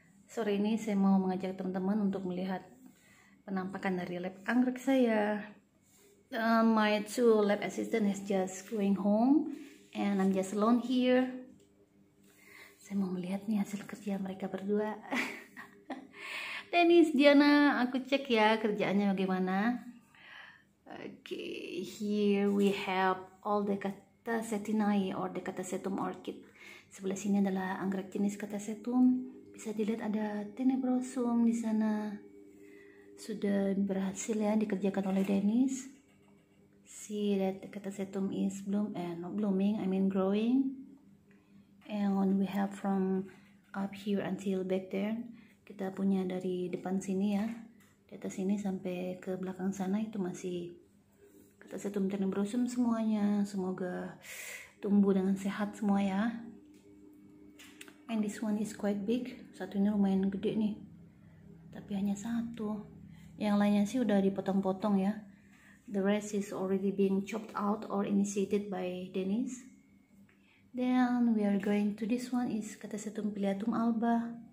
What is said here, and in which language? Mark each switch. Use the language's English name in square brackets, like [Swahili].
[Indonesian] Sore ini saya mau mengajak teman-teman untuk melihat penampakan dari lab anggrek saya. [English] My two lab assistant has just going home and I'm just alone here. [Indonesian] Saya mau melihat nih hasil kerja mereka berdua. Dennis, Diana, aku cek ya kerjaannya bagaimana. [English] Okay, here we have all the Catasetinae or the Catasetum orchid. [Indonesian] Sebelah sini adalah anggrek jenis Catasetum. Bisa dilihat ada Tenebrosum di sana. Sudah berhasil ya dikerjakan oleh Dennis. [English] See that the Catasetum is bloom and not blooming, I mean growing. And we have from up here until back there. [Indonesian] Kita punya dari depan sini ya, di atas sini sampai ke belakang sana itu masih Catasetum Tenebrosum semuanya. Semoga tumbuh dengan sehat semua ya. [English] And this one is quite big. [Indonesian] Satu ini lumayan gede nih. Tapi hanya satu. Yang lainnya sih udah dipotong-potong ya. [English] The rest is already being chopped out or initiated by Dennis. Then we are going to this one is Catasetum Pileatum Alba.